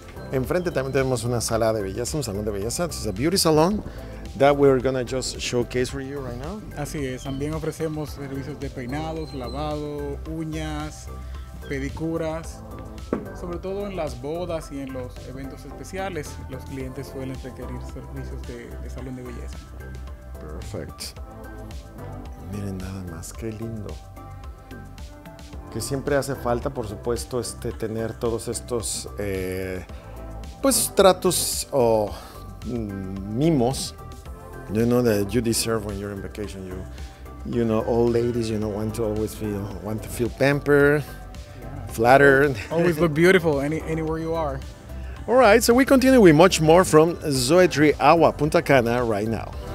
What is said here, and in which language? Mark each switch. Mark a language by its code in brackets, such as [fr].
[es] Enfrente también tenemos una sala de belleza, un salón de belleza. [en] It's a beauty salon that we're going to just showcase for you right now. [es] Así es. También ofrecemos servicios de peinados, lavado, uñas, pedicuras. Sobre todo en las bodas y en los eventos especiales, los clientes suelen requerir servicios de salón de belleza. Perfecto. Miren nada más, qué lindo. Que siempre hace falta, por supuesto, tener todos estos pues tratos o mimos. [en] You know that you deserve when you're on vacation. You know, all ladies, you know, want to feel pampered. Flattered. Always look beautiful anywhere you are. All right, so we continue with much more from Zoetri Agua Punta Cana right now.